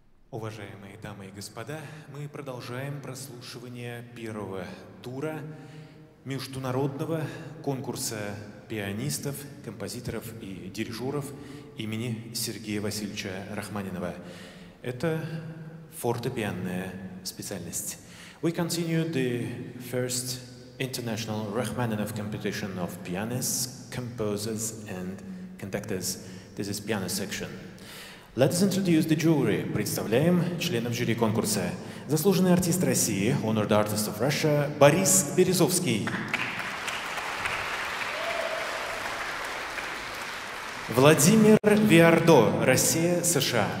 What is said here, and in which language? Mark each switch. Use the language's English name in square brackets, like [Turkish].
[Russian] Уважаемые дамы и господа, мы продолжаем прослушивание первого тура международного конкурса пианистов, композиторов и дирижеров имени Сергея Васильевича Рахманинова. Это фортепианная специальность. [English] We continue the first international Rachmaninov competition of pianists, composers and conductors. This is piano section. Let's introduce the jury. [Russian] Представляем членов жюри конкурса. Заслуженный артист России, [English] honored artist of Russia, [Russian] Борис Березовский. Владимир Виардо, Россия, США.